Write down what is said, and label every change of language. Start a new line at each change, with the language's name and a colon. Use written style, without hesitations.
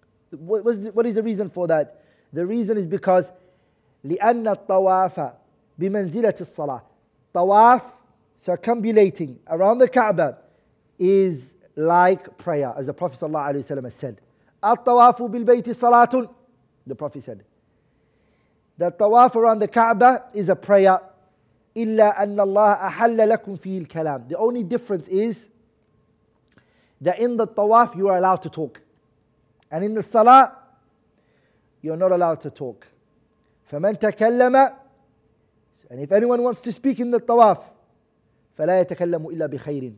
English: What is the reason for that? The reason is because
Arabic: لأن الطواف بمنزلة الصلاة.
English: Tawaf, circumambulating around the Kaaba, is like prayer, as the Prophet
Arabic: صلى الله عليه وسلم
English: said.
Arabic: الطواف بالبيت صلاة,
English: the Prophet said. The tawaf around the Kaaba is a prayer.
Arabic: إلا أن الله أحل لكم فيه الكلام.
English: The only difference is that in the tawaf you are allowed to talk, and in the salah you are not allowed to talk.
Arabic: فمن تكلم,
English: and if anyone wants to speak in the tawaf,
Arabic: فلا يتكلم إلا بخير.